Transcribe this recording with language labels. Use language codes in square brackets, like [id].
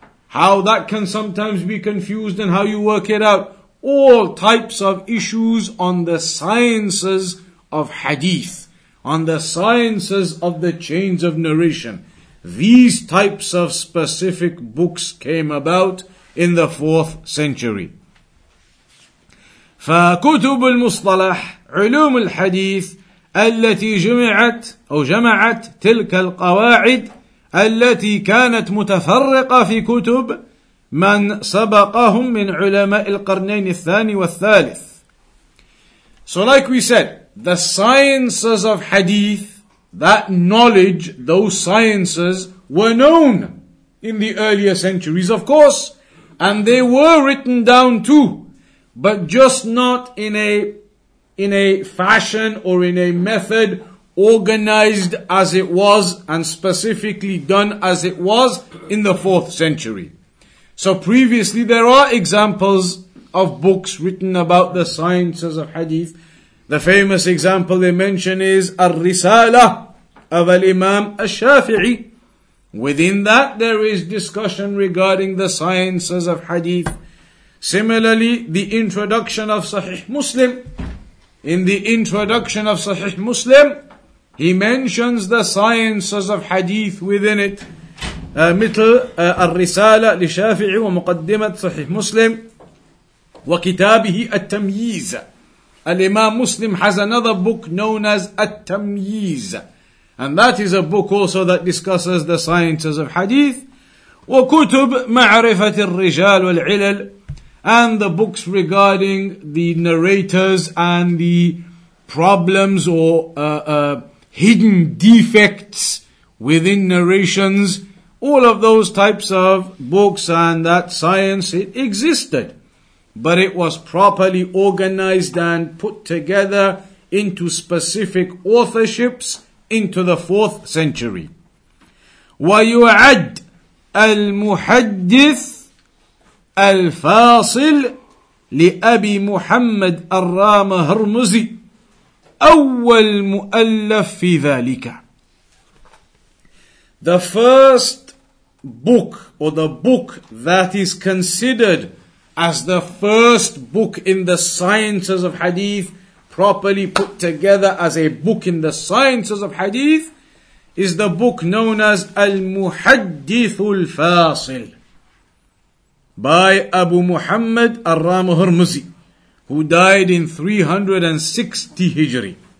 [en] How that can sometimes be confused and how you work it out. All types of issues on the sciences of hadith, on the sciences of the chains of narration. These types of specific books came about in the 4th century. [ar] فكتب المصطلح علوم الحديث التي جمعت أو جمعت تلك القواعد التي كانت متفرقة في كتب من سبقهم من علماء القرنين الثاني والثالث. [en] So like we said, the sciences of hadith, that knowledge, those sciences were known in the earlier centuries, of course, and they were written down too, but just not in a fashion or in a method organized as it was and specifically done as it was in the 4th century. So previously there are examples of books written about the sciences of hadith. The famous example they mention is Ar-Risala of Al-Imam Al-Shafi'i. Within that there is discussion regarding the sciences of hadith. Similarly, the introduction of Sahih Muslim. In the introduction of Sahih Muslim, he mentions the sciences of hadith within it. [ar] مثل الرسالة لشافعي ومقدمة صحيح مسلم وكتابه التمييز. [en] الإمام مسلم has another book known as التمييز. And that is a book also that discusses the sciences of hadith. [ar] وكتب معرفة الرجال والعلل. [en] And the books regarding the narrators and the problems or hidden defects within narrations. All of those types of books and that science, it existed. But it was properly organized and put together into specific authorships into the 4th century. [ar] ويعد المحدث الفاصل لأبي محمد الرام هرمزي أول مؤلف في ذلك. [en] The first book, or the book that is considered as the first book in the sciences of hadith, properly put together as a book in the sciences of hadith, is the book known as المحدث الفاصل by Abu Muhammad Ar-Ram Hurmuzi, who died in 360 Hijri.